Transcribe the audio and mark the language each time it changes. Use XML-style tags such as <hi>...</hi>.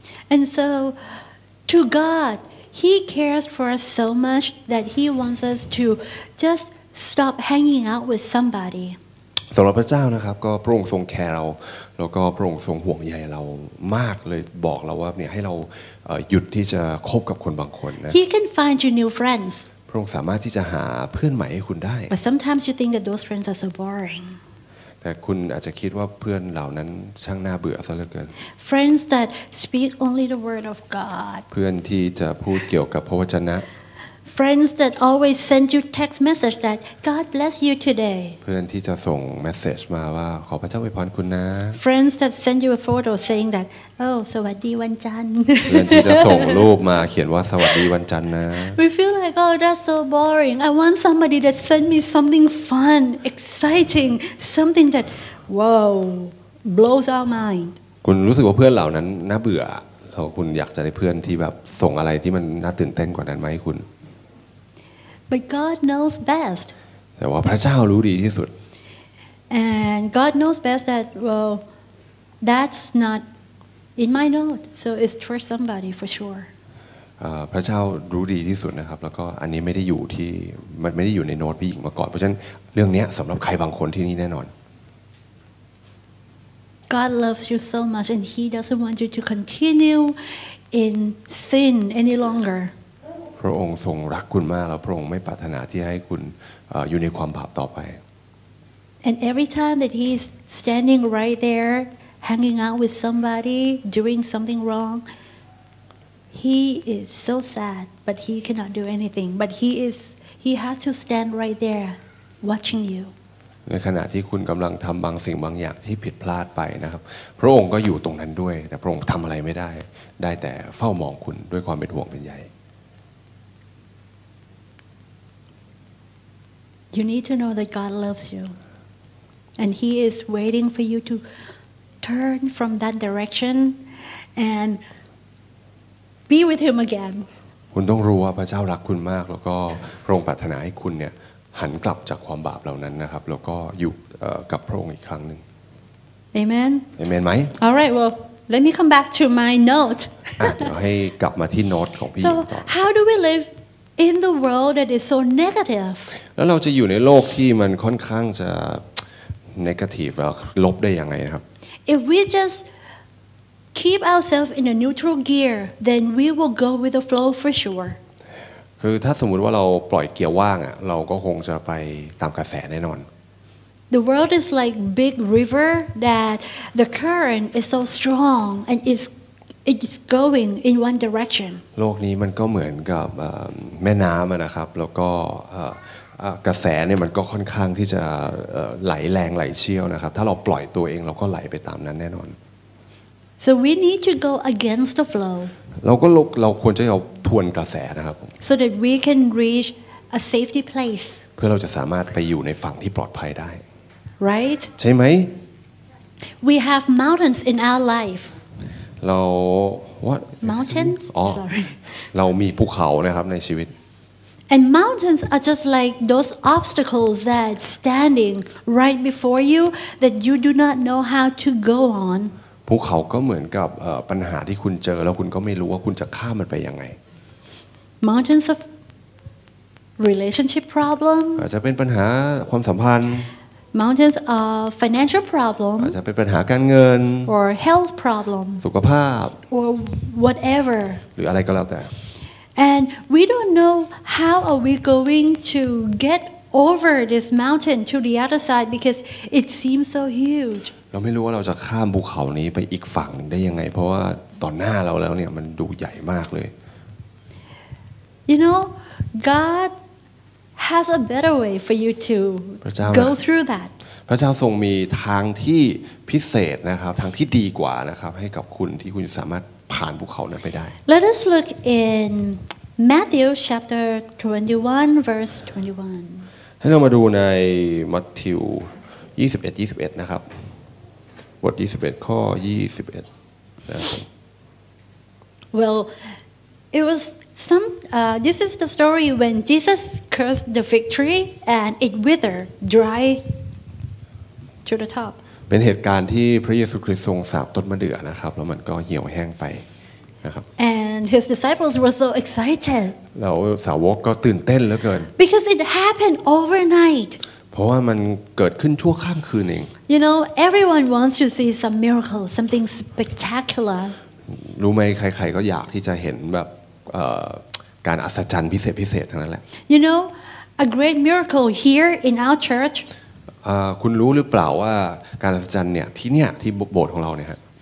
<en>And so, to God, He cares for us so much that He wants us to just stop hanging out with somebody.</en> <th>สำหรับพระเจ้านะครับก็พระองค์ทรงแคร์เราแล้วก็พระองค์ทรงห่วงใยเรามากเลยบอกเราว่าเนี่ยให้เราหยุดที่จะคบกับคนบางคนนะ</th> <en>He can find you new friends</en> <th>พระองค์สามารถที่จะหาเพื่อนใหม่ให้คุณได้</th> <en>But sometimes you think that those friends are so boring</en> <th>แต่คุณอาจจะคิดว่าเพื่อนเหล่านั้นช่างน่าเบื่อซะเหลือเกิน</th> <en>Friends that speak only the word of God</en> <th>เพื่อนที่จะพูดเกี่ยวกับพระวจนะ</th> <en>Friends that always send you text message that God bless you today.</en> <th>เพื่อนที่จะส่งเมสเสจมาว่าขอพระเจ้าอวยพรคุณนะ</th> <en>Friends that send you a photo saying that oh</en> <th>สวัสดีวันจันทร์ เพื่อนที่จะส่งรูปมาเขียนว่าสวัสดีวันจันทร์นะ</th> <en>We feel like oh that's so boring. I want somebody that send me something fun, exciting, something that wow blows our mind.</en> <th>คุณรู้สึกว่าเพื่อนเหล่านั้นน่าเบื่อแล้วคุณอยากจะได้เพื่อนที่แบบส่งอะไรที่มันน่าตื่นเต้นกว่านั้นมาให้คุณ</th> <en>But God knows best.</en> <th>แต่ว่าพระเจ้ารู้ดีที่สุด</th> <en>And God knows best that well, that's not in my note. So it's for somebody for sure.</en> <th>พระเจ้ารู้ดีที่สุดนะครับแล้วก็อันนี้ไม่ได้อยู่ที่มันไม่ได้อยู่ในโน้ตพี่หญิงมาก่อนเพราะฉะนั้นเรื่องนี้สำหรับใครบางคนที่นี่แน่นอน</th> <en>God loves you so much, and He doesn't want you to continue in sin any longer.</en> <th>พระองค์ทรงรักคุณมากแล้วพระองค์ไม่ปรารถนาที่ให้คุณอยู่ในความบาปต่อไป</th> <en>And every time that he's standing right there hanging out with somebody doing something wrong he is so sad but he cannot do anything but he has to stand right there watching you</en> <th>ในขณะที่คุณกำลังทำบางสิ่งบางอย่างที่ผิดพลาดไปนะครับพระองค์ก็อยู่ตรงนั้นด้วยแต่พระองค์ทำอะไรไม่ได้ได้แต่เฝ้ามองคุณด้วยความเป็นห่วงเป็นใย</th> <en>You need to know that God loves you. And He is waiting for you to turn from that direction and be with Him again.</en> <th>คุณต้องรู้ว่าพระเจ้ารักคุณมากแล้วก็พระองค์ปรารถนาให้คุณเนี่ยหันกลับจากความบาปเหล่านั้นนะครับแล้วก็อยู่กับพระองค์อีกครั้งหนึ่ง</th> <en>Amen.</en> <th>Amen ไหม</th> <en>All right, well, let me come back to my note.</en> <th>เดี๋ยวให้กลับมาที่โน้ตของพี่</th> <en>So, how do we live? In the world that is so negative.</en> <th>แล้วเราจะอยู่ในโลกที่มันค่อนข้างจะ negative ลบได้ยังไงนะครับ</th> <en>If we just keep ourselves in a neutral gear, then we will go with the flow for sure.</en> <th>คือถ้าสมมุติว่าเราปล่อยเกียร์ว่างอ่ะเราก็คงจะไปตามกระแสแน่นอน</th> <en>The world is like big river that the current is so strong and it's It's going in one direction.</en> <th>โลกนี้มันก็เหมือนกับแม่น้ำนะครับแล้วก็กระแสเนี่ยมันก็ค่อนข้างที่จะไหลแรงไหลเชี่ยวนะครับถ้าเราปล่อยตัวเองเราก็ไหลไปตามนั้นแน่นอน</th> <en>So we need to go against the flow.</en> <th>เราควรจะเอาทวนกระแสนะครับ</th> <en>So that we can reach a safety place.</en> <th>เพื่อเราจะสามารถไปอยู่ในฝั่งที่ปลอดภัยได้</th> <en>Right?</en> <th>ใช่ไหม</th> <en>We have mountains in our life.</en> <th>เรา</th> <en>what mountains oh, sorry</en> <th>เรามีภูเขานะครับในชีวิต</th> <en>and mountains are just like those obstacles that standing right before you that you do not know how to go on</en> <th>ภูเขาก็เหมือนกับปัญหาที่คุณเจอแล้วคุณก็ไม่รู้ว่าคุณจะข้ามมันไปยังไง</th> <en>mountains of relationship problem</en> <th>อาจจะเป็นปัญหาความสัมพันธ์</th> <en>Mountains of financial problems.</en> <th>อาจจะเป็นปัญหาการเงิน</th> <en>Or health problems.</en> <th>สุขภาพ</th> <en>Or whatever.</en> <th>หรืออะไรก็แล้วแต่</th> <en>And we don't know how are we going to get over this mountain to the other side because it seems so huge.</en> <th>เราไม่รู้ว่าเราจะข้ามภูเขานี้ไปอีกฝั่งได้ยังไงเพราะว่าต่อหน้าเราแล้วเนี่ยมันดูใหญ่มากเลย</th> <en>You know, GodHas a better way for you to go through that.</en> <th>พระเจ้าทรงมีทางที่พิเศษนะครับทางที่ดีกว่านะครับให้กับคุณที่คุณสามารถผ่านภูเขานั้นไปได้</th> <en>Let us look in Matthew chapter 21 verse 21.</en> <th>ให้เรามาดูในมัทธิว21นะครับบท21ข้อ21นะ</th> <en>Well, it was. This is the story when Jesus cursed the fig tree and it withered dry to the top.</en> <th>เป็นเหตุการณ์ที่พระเยซูคริสต์ทรงสาปต้นมะเดื่อนะครับแล้วมันก็เหี่ยวแห้งไปนะครับ</th> <en>And his disciples were so excited.</en> <th>แล้วสาวกก็ตื่นเต้นเหลือเกิน</th> <en>Because it happened overnight.</en> <th>เพราะว่ามันเกิดขึ้นชั่วข้ามคืนเอง</th> <en>You know, everyone wants to see some miracle, something spectacular.</en> <th>รู้ไหมใครๆก็อยากที่จะเห็นแบบการอัศจรรย์พิเศษทั้งนั้นแหละ</th> <en>You know a great miracle here in our church</en> <th>คุณรู้หรือเปล่าว่าการอัศจรรย์เนี่ยที่เนี่ยที่โบสถ์ของเราเนี่ยฮะ</th>